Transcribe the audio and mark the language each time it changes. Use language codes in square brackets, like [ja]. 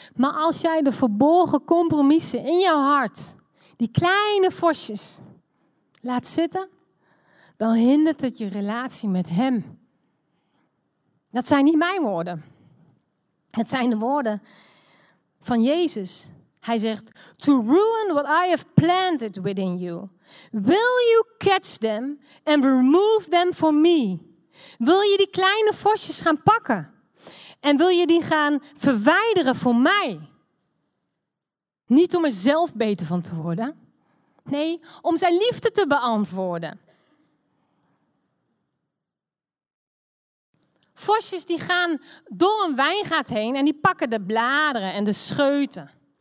[nl] Maar als jij de verborgen compromissen in jouw hart, die kleine vosjes, laat zitten, dan hindert het je relatie met hem. Dat zijn niet mijn woorden. Het zijn de woorden van Jezus. Hij zegt, [en] to ruin what I have planted within you. Will you catch them and remove them for me? [nl] Wil je die kleine vosjes gaan pakken? En wil je die gaan verwijderen voor mij? Niet om er zelf beter van te worden. Nee, om zijn liefde te beantwoorden. Vosjes die gaan door een wijngaard heen en die pakken de bladeren en de scheuten.